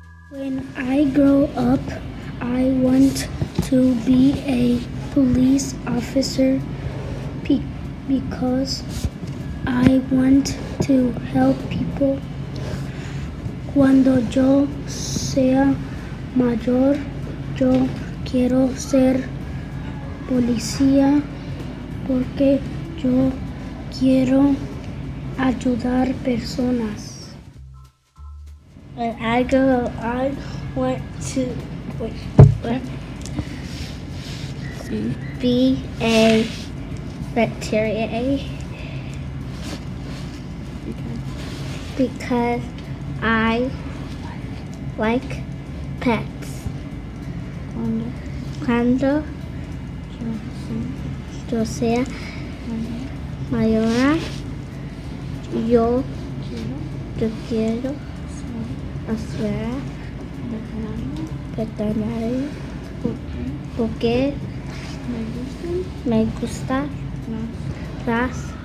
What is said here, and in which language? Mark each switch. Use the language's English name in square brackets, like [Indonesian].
[English] When I grow up, I want to be a police officer because I want to help people. [Spanish] Cuando yo sea mayor, yo quiero ser policía porque yo quiero ayudar personas. [English] When I grow up, I want to be a veterinarian because I like pets. [Spanish] Cuando yo sea mayor, yo quiero hacer veterinario porque me gusta las